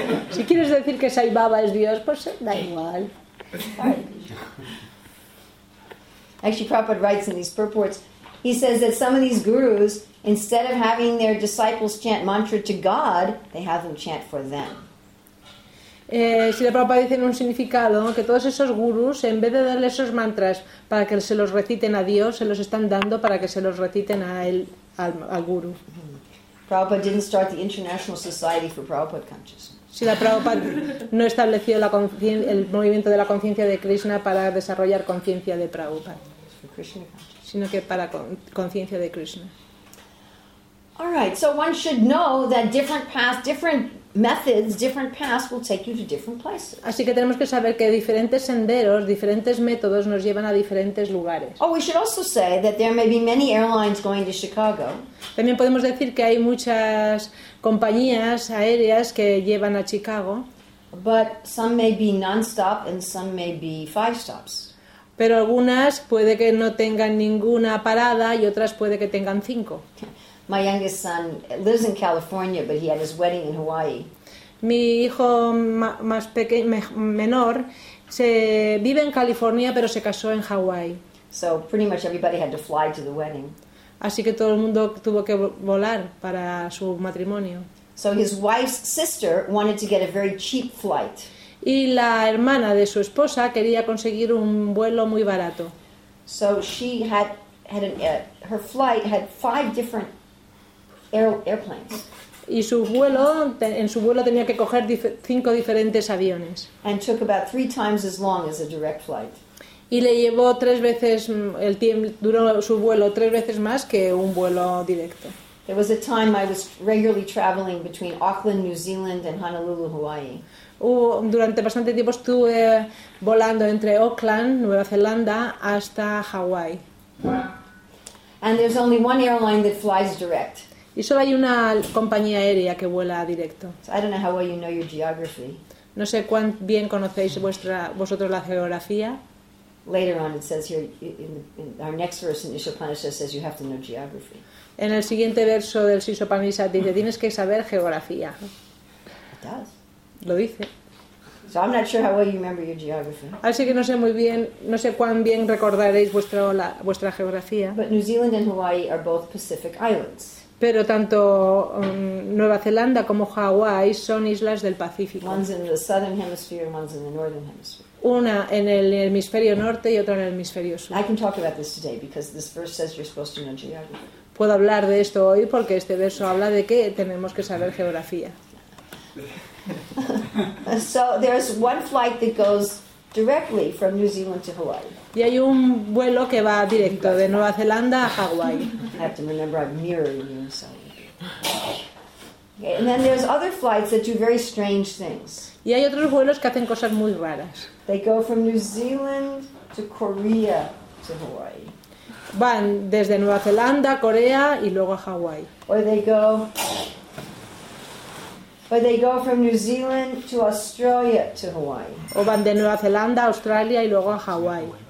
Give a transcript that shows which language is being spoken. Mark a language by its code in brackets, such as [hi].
[es] Si quieres decir que Sai Baba es Dios, pues da igual. [en] Actually, Prabhupada writes in these purports, he says that some of these gurus, instead of having their disciples chant mantra to God, they have them chant for them. [es] Si la Prabhupada dice en un significado que todos esos gurús, en vez de darle esos mantras para que se los reciten a Dios, se los están dando para que se los reciten a él. Al guru. [en] Prabhupada didn't start the International Society for Prabhupada Consciousness. [es] Si la Prabhupada no estableció la el movimiento de la conciencia de Krishna para desarrollar conciencia de Prabhupada, sino que para conciencia de Krishna. [en] All right, so one should know that different paths, different methods, different paths will take you to different places. [es] Así que tenemos que saber que diferentes senderos, diferentes métodos nos llevan a diferentes lugares. [en] Oh, we should also say that there may be many airlines going to Chicago. [es] También podemos decir que hay muchas compañías aéreas que llevan a Chicago. [en] But some may be non-stop and some may be five stops. [es] Pero algunas puede que no tengan ninguna parada y otras puede que tengan cinco. [en] My youngest son lives in California, but he had his wedding in Hawaii. [es] Mi hijo más pequeño, menor, se vive en California, pero se casó en Hawaii. [en] So pretty much everybody had to fly to the wedding. [es] Así que todo el mundo tuvo que volar para su matrimonio. [en] So his wife's sister wanted to get a very cheap flight. [es] Y la hermana de su esposa quería conseguir un vuelo muy barato. [en] So she had her flight had five different airplanes. [es] Y su vuelo, en su vuelo tenía que coger cinco diferentes aviones. [en] And took about three times as long as a direct flight. [es] Y le llevó tres veces el tiempo, duró su vuelo tres veces más que un vuelo directo. [en] There was a time I was regularly traveling between Auckland, New Zealand and Honolulu, Hawaii. [es] Durante bastante tiempo estuve volando entre Auckland, Nueva Zelanda, hasta Hawaii. [en] And there's only one airline that flies direct. [es] Y solo hay una compañía aérea que vuela directo. [en] So I don't know how well you know your geography. [es] No sé cuán bien conocéis vosotros la geografía. [en] Later on it says here in our next verse in Ishopanishad says you have to know geography. [es] En el siguiente verso del Ishopanishad dice tienes que saber geografía. [en] It does. [es] Lo dice. [en] So I'm not sure how well you remember your geography. [es] Así que no sé cuán bien recordaréis vuestra geografía. [en] But New Zealand and Hawaii are both Pacific islands. [es] Pero tanto Nueva Zelanda como Hawaii son islas del Pacífico. [en] One's in the southern hemisphere and one's in the northern hemisphere. [es] Una en el hemisferio norte y otra en el hemisferio sur. [en] I can talk about this today because this verse says you're supposed to know geography. [es] Puedo hablar de esto hoy porque este verso habla de que tenemos que saber geografía. [en] So there's one flight that goes directly from New Zealand to Hawaii. [es] Y hay un vuelo que va directo de Nueva Zelanda a Hawaii. [en] I have to remember I'm mirroring you, so. Okay, and then there's other flights that do very strange things. [es] Y hay otros vuelos que hacen cosas muy raras. [en] They go from New Zealand to Korea to Hawaii. [es] Van desde Nueva Zelanda, Corea y luego a Hawaii. [en] Or they go from New Zealand to Australia to Hawaii. [es] O van de Nueva Zelanda a Australia y luego a Hawaii.